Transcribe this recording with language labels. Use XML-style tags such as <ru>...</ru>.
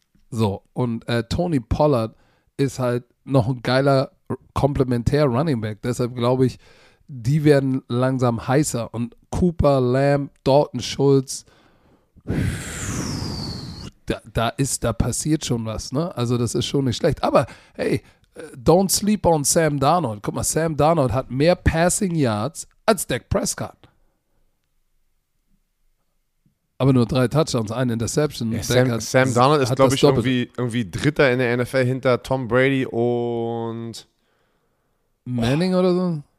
<de>So, und Tony Pollard ist halt noch ein geiler Komplementär-Running Back. Deshalb glaube ich, die werden langsam heißer. Und Cooper, Lamb, Dalton Schultz, da passiert schon was. Ne? Also das ist schon nicht schlecht.</de> <en>Aber hey, don't sleep on Sam Darnold.</en> <de>Guck mal, Sam Darnold hat mehr Passing Yards als Dak Prescott. Aber nur drei Touchdowns, eine Interception. Ja, Sam Darnold ist, glaube ich, irgendwie Dritter in der NFL hinter Tom Brady und Manning oder so.</de>